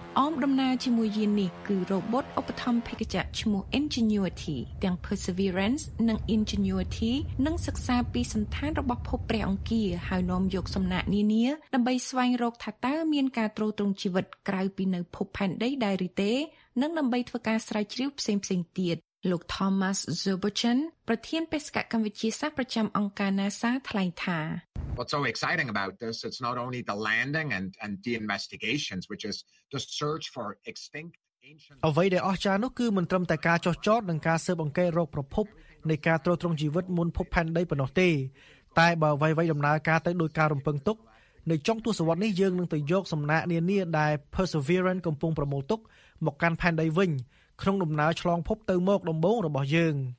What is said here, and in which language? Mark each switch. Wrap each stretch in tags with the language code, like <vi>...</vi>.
<km>អមដំណើរជាមួយយាននេះគឺរ៉ូបូតឧបត្ថម្ភភេកចៈឈ្មោះ Ingenuity ទាំង Perseverance និង Ingenuity នឹងសិក្សាពីសន្តានរបស់ភពព្រះអង្គារហើយនាំយកសំណាក់នានាដើម្បីស្វែងរកថាតើមានការទ្រទ្រង់ជីវិតក្រៅពីនៅភពផែនដីដែរឬទេនិងដើម្បីធ្វើការស្រាវជ្រាវផ្សេងៗទៀតលោក Thomas Zubochen ប្រធានបេសកកម្មវិទ្យាសាស្ត្រប្រចាំអង្គការ NASA ថ្លែងថា</km> <en>What's so exciting about this it's not only the landing and the investigations which is the search for extinct ancient</en> <km>អ្វីដែលអស្ចារ្យនោះគឺមិនត្រឹមតែការចោះចោតនិងការស៊ើបអង្កេតរកប្រភពនៃការទ្រទ្រង់ជីវិតមុនភពផែនដីប៉ុណ្ណោះទេតែបើអ្វីដំណើរការទៅដោយការរំពឹងទុកនៅចុងទសវត្សរ៍នេះយើងនឹងទៅយកសំណាក់នានាដែល Perseverance កំពុងប្រមូលទុកមកកាន់ផែនដីវិញក្នុងដំណើរឆ្លងភពទៅមកដំបូងរបស់យើង</km>